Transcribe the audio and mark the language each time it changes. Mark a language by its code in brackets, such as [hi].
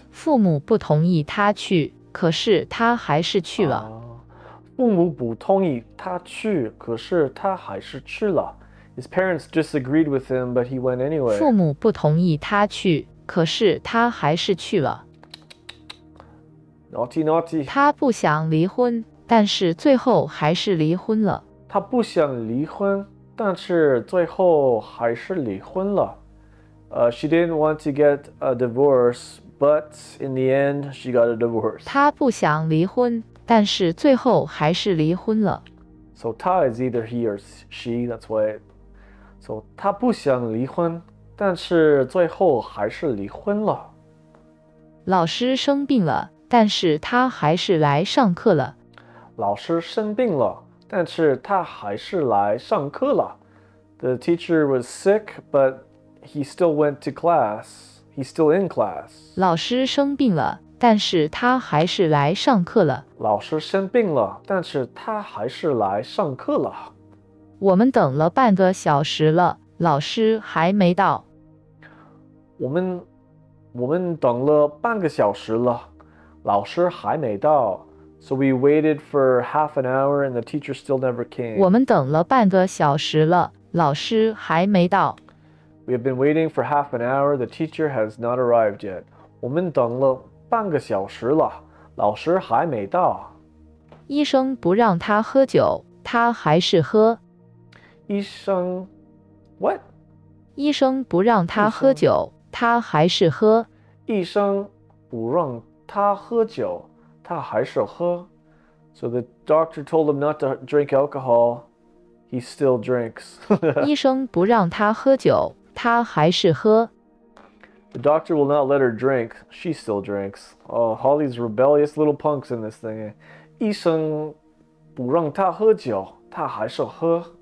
[zh] 父母不同意他去，可是他还是去了。父母不同意他去，可是他还是去了。 [en] His parents disagreed with him, but he went anyway. [zh] 父母不同意他去，可是他还是去了。 [en] Naughty, naughty. [zh] 他不想离婚，但是最后还是离婚了。他不想离婚，但是最后还是离婚了。 [en] She didn't want to get a divorce, but in the end, she got a divorce. [zh] 她不想离婚，但是最后还是离婚了。 [en] So Ta is either he or she, that's why. So [zh] 她不想离婚，但是最后还是离婚了。老师生病了，但是她还是来上课了。老师生病了，但是他还是来上课了。 [en] The teacher was sick, but he still went to class. He's still in class. [zh] 老师生病了，但是他还是来上课了。老师生病了，但是他还是来上课了。我们等了半个小时了，老师还没到。我们等了半个小时了，老师还没到。 [en] So we waited for half an hour and the teacher still never came. [zh] 我们等了半个小时了，老师还没到。 [en] We have been waiting for half an hour, the teacher has not arrived yet. [zh] 我们等了半个小时了，老师还没到。医生不让他喝酒，他还是喝。医生 , [en] what? [zh] 医生不让他喝酒，他还是喝。医生不让他喝酒，他还是喝。 [en] So the doctor told him not to drink alcohol, he still drinks. [zh] 医生不让他喝酒，他还是喝。 [en] The doctor will not let her drink, she still drinks. Oh, Holly's rebellious little punks in this thing. [zh] 医生不让他喝酒，他还是喝。